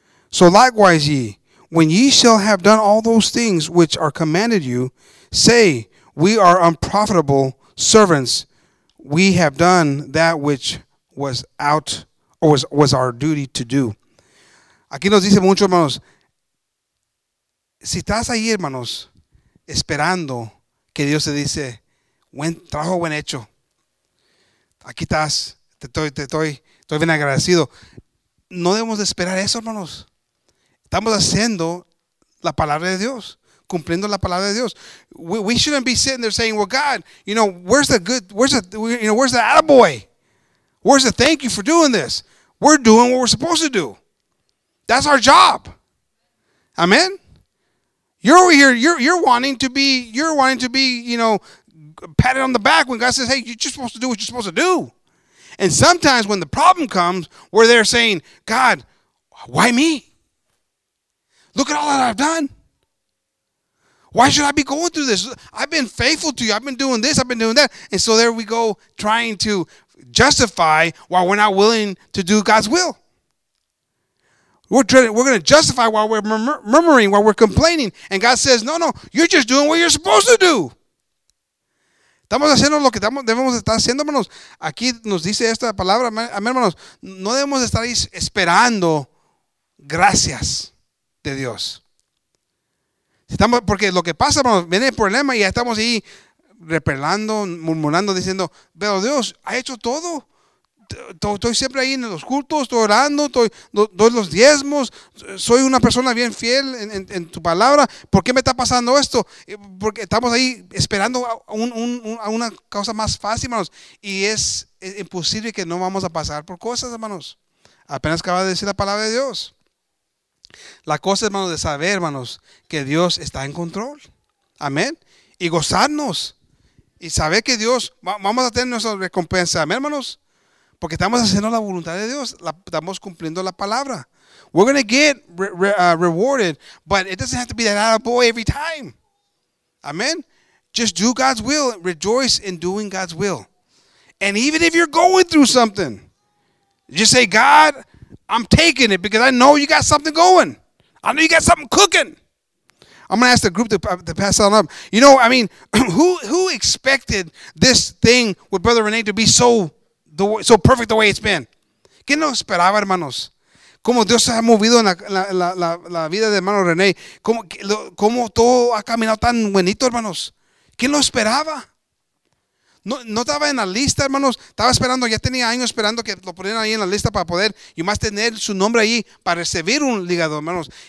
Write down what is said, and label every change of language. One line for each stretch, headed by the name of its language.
English: So likewise ye, when ye shall have done all those things which are commanded you, say, we are unprofitable servants. We have done that which was out or was our duty to do.
Spanish: Aquí nos dice mucho, hermanos. Si estás ahí, hermanos, esperando que Dios te dice, buen trabajo, buen hecho. Aquí estás. Estoy bien agradecido. No debemos de esperar eso, hermanos. Estamos haciendo la palabra de Dios, cumpliendo la palabra de Dios.
English: We shouldn't be sitting there saying, well, God, you know, where's the attaboy? Where's the thank you for doing this? We're doing what we're supposed to do. That's our job. Amen. You're over here, you're wanting to be, you know, patted on the back when God says, hey, you're just supposed to do what you're supposed to do. And sometimes when the problem comes, we're there saying, God, why me? Look at all that I've done. Why should I be going through this? I've been faithful to you. I've been doing this. I've been doing that. And so there we go, trying to justify why we're not willing to do God's will. We're going to justify why we're murmuring, why we're complaining. And God says, no, you're just doing what you're supposed to do.
Spanish: Estamos haciendo lo que debemos estar haciendo, hermanos. Aquí nos dice esta palabra, hermanos. No debemos estar ahí esperando gracias de Dios. Estamos, porque lo que pasa, hermanos, viene el problema y ya estamos ahí repelando, murmurando, diciendo, pero Dios ha hecho todo. Estoy siempre ahí en los cultos, estoy orando, doy los diezmos, soy una persona bien fiel en tu palabra. ¿Por qué me está pasando esto? Porque estamos ahí esperando a una cosa más fácil, hermanos. Y es imposible que no vamos a pasar por cosas, hermanos. Apenas acaba de decir la palabra de Dios. La cosa, hermanos, de saber, hermanos, que Dios está en control. Amén. Y gozarnos. Y saber que Dios, vamos a tener nuestra recompensa. Amén, hermanos. Porque estamos haciendo la voluntad de Dios. Estamos cumpliendo la palabra.
English: We're going to get rewarded, but it doesn't have to be that attaboy every time. Amen. Just do God's will. Rejoice in doing God's will. And even if you're going through something, just say, God, I'm taking it because I know you got something going. I know you got something cooking. I'm going to ask the group to pass that on up. You know, I mean, who expected this thing with Brother Renee to be so perfect the way it's been?
Spanish: ¿Qué no esperaba, hermanos? ¿Cómo Dios se ha movido en la vida de hermano René? ¿Cómo todo ha caminado tan bonito, hermanos? ¿Qué no esperaba? No estaba en la lista, hermanos. Estaba esperando, ya tenía años esperando que lo pusieran ahí en la lista para poder y más tener su nombre ahí para recibir un ligado, hermanos.